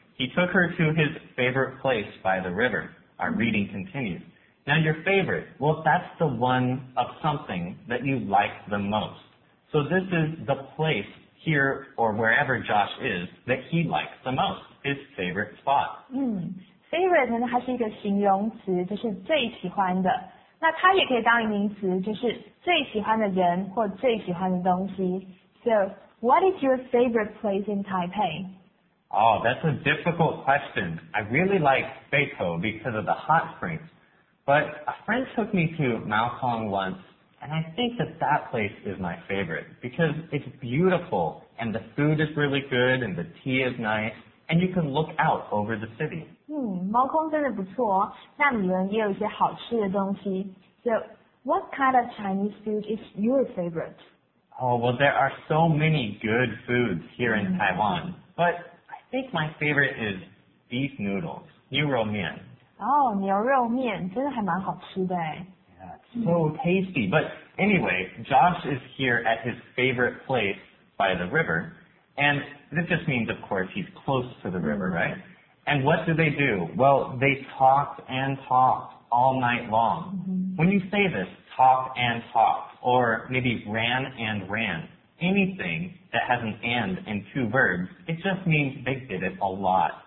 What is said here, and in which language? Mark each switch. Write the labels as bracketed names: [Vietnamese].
[English] He took her to his favorite place by the river. Our reading continues. Now your favorite, well, that's the one of something that you like the most. So this is the place... here or wherever Josh is, that he likes the most, his favorite spot. [Chinese] Favorite 呢它是一个形容词就是最喜欢的。那它也可以当一名词就是最喜欢的人或最喜欢的东西。 [English] So, what is your favorite place in Taipei? Oh, that's a difficult question. I really like Beitou because of the hot springs. But a friend took me to Mao Kong once,And I think that place is my favorite because it's beautiful and the food is really good and the tea is nice and you can look out over the city. [Chinese] Mao Kong 真的不错哦，那里面也有一些好吃的东西。 [English] So, what kind of Chinese food is your favorite? Oh, well, there are so many good foods here in Taiwan, but I think my favorite is beef noodles, 牛肉面。 [Chinese] Oh, 牛肉面真的还蛮好吃的哎。 [English] So tasty. But anyway, Josh is here at his favorite place by the river. And this just means, of course, he's close to the river, right? And what do they do? Well, they talked and talked all night long. When you say this, talk and talk, or maybe ran and ran, anything that has an and in two verbs, it just means they did it a lot.